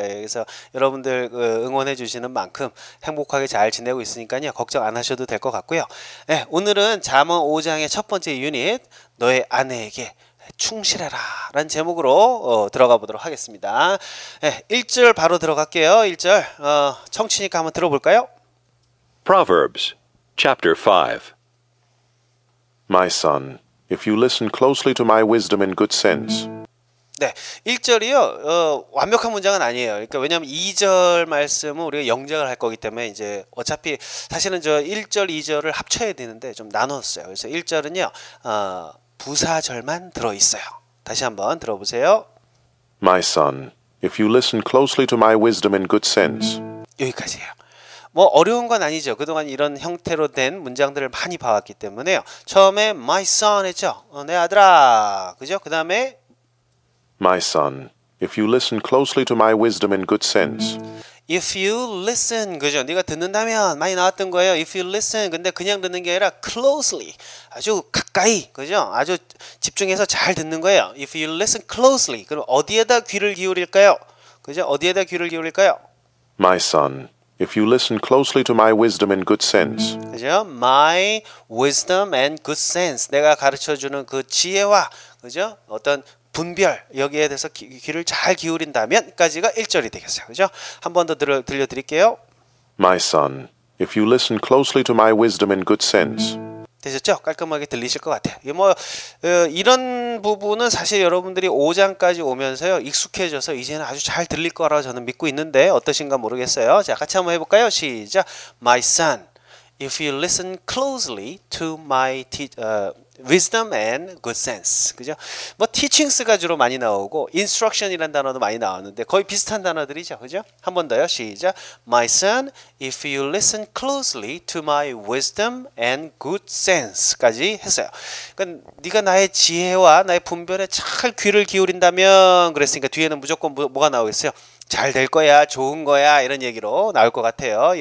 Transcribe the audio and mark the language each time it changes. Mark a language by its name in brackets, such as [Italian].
[Korean] 그래서 여러분들 응원해 주시는 만큼 행복하게 잘 지내고 있으니까요, 걱정 안 하셔도 될것 같고요. 네, 오늘은 잠언 5장의 첫 번째 유닛, 너의 아내에게 충실해라 라는 제목으로 들어가 보도록 하겠습니다. 네, 1절 바로 들어갈게요. 1절 청취니까 한번 들어볼까요? [English] Proverbs Chapter 5. My son, if you listen closely to my wisdom and good sense. [Korean] 네, 1절이요, 완벽한 문장은 아니에요. 그러니까 왜냐하면 2절 말씀은 우리가 영작을 할 거기 때문에 이제 어차피 사실은 저 1절, 2절을 합쳐야 되는데 좀 나눴어요. 그래서 1절은요, 부사절만 들어 있어요. 다시 한번 들어보세요. [English] My son, if you listen closely to my wisdom and good sense. [Korean] 여기까지예요. 뭐 어려운 건 아니죠. 그동안 이런 형태로 된 문장들을 많이 봐왔기 때문에요. 처음에 [English] my son [Korean] 했죠. 내 아들아, 그죠? 그다음에 [English] My son, if you listen closely to my wisdom and good sense. if you listen, [Korean] 그죠? 네가 듣는다면 많이 나왔던 거예요. [English] if you listen, [Korean] 근데 그냥 듣는 게 아니라 closely, 아주 가까이, 그죠? 아주 집중해서 잘 듣는 거예요. [English] if you listen closely, [Korean] 그럼 어디에다 귀를 기울일까요? 그죠? 어디에다 귀를 기울일까요? [English] My son, if you listen closely to my wisdom and good sense. [Korean] 그죠? [English] My wisdom and good sense. [Korean] 내가 가르쳐 주는 그 지혜와, 그죠? 어떤 분별, 여기에 대해서 귀를 잘 기울인다면까지가 1절이 되겠어요. 그죠? 한번더 들려드릴게요. [English] My son, if you listen closely to my wisdom and good sense. [Korean] 되셨죠? 깔끔하게 들리실 것 같아요. 이게 뭐, 이런 부분은 사실 여러분들이 5장까지 오면서요, 익숙해져서 이제는 아주 잘 들릴 거라고 저는 믿고 있는데 어떠신가 모르겠어요. 자, 같이 한번 해볼까요? 시작. [English] My son, if you listen closely to my wisdom and good sense. [Korean] 그죠? 뭐, teachings가 주로 많이 나오고, instruction이라는 단어도 많이 나오는데 거의 비슷한 단어들이죠. 그죠? 한번 더요. 시작. [English] My son, if you listen closely to my wisdom and good sense까지 [Korean] 했어요. 그러니까 네가 나의 지혜와 나의 분별에 잘 귀를 기울인다면 그랬으니까 뒤에는 무조건 뭐가 나오겠어요? 잘될 거야, 좋은 거야, 이런 얘기로 나올 것 같아요.